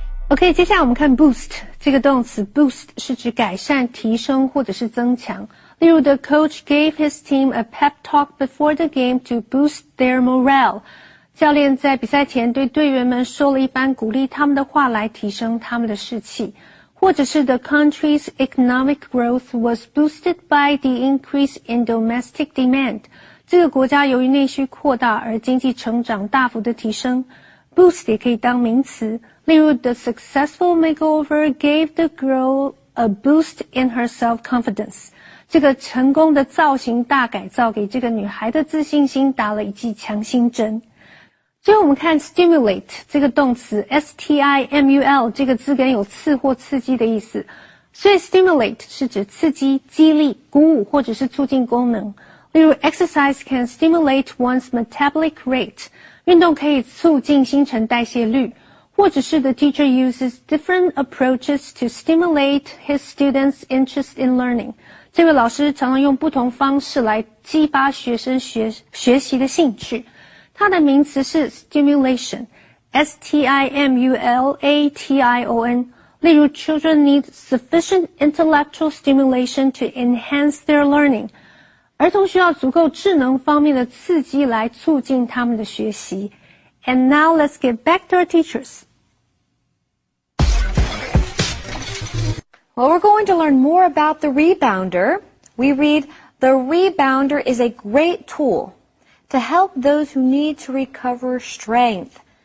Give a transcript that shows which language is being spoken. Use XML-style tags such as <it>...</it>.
<zh>Okay, 接下来我们看 boost 这个动词 boost 是指改善、提升或者是增强。例如</zh> <en>,the coach gave his team a pep talk before the game to boost their morale.</en> <zh>教练在比赛前对队员们说了一番鼓励他们的话来提升他们的士气。或者是</zh> <en>The country's economic growth was boosted by the increase in domestic demand.</en> <zh>这个国家由于内需扩大而经济成长大幅的提升。 Boost 也可以当名词。例如</zh> <en>The successful makeover gave the girl a boost in her self-confidence.</en> <zh>这个成功的造型大改造给这个女孩的自信心打了一剂强心针。所以我们看 stimulate 这个动词 S-T-I-M-U-L 这个字根有刺或刺激的意思，所以 stimulate 是指刺激、激励、鼓舞或者是促进功能。例如</zh> <en>exercise can stimulate one's metabolic rate，</en> <zh>运动可以促进新陈代谢率。或者是</zh> <en>the teacher uses different approaches to stimulate his students' interest in learning.</en> <zh>这位老师常常用不同方式来激发学生学习的兴趣。他的名词是 stimulation, S-T-I-M-U-L-A-T-I-O-N. 例如</zh> <en>children need sufficient intellectual stimulation to enhance their learning.</en> <zh>儿童需要足够智能方面的刺激来促进他们的学习。</zh> <en>And now let's get back to our teachers. Well, we're going to learn more about the rebounder. We read, the rebounder is a great tool to help those who need to recover strength.</en>